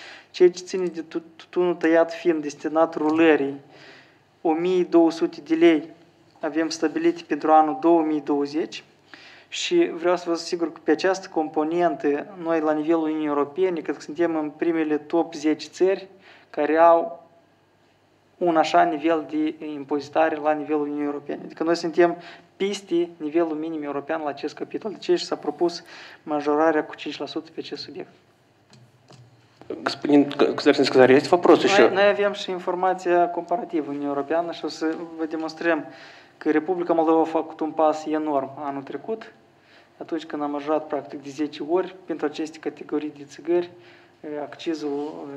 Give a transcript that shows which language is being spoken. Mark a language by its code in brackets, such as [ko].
[ro] Ceea ce ține de tutunul tăiat fin, destinat rulării, 1200 de lei avem stabilite pentru anul 2020, și vreau să vă asigur că pe această componentă, noi la nivelul Uniunii Europene, cred că suntem în primele top 10 țări care au un așa nivel de impozitare la nivelul Uniunii Europene. Adică noi suntem peste nivelul minim european la acest capitol. De ce și s-a propus majorarea cu 5% pe acest subiect? [ru] Господин Казарин, есть вопрос еще? Мы имеем еще информацию компаративную [ro] Uniunii Europene, [ru] что мы демонстрируем, [ro] că Republica Moldova a făcut un pas enorm anul trecut, atunci când a majorat practic de 10 ori pentru aceste categorii de țigări, accizul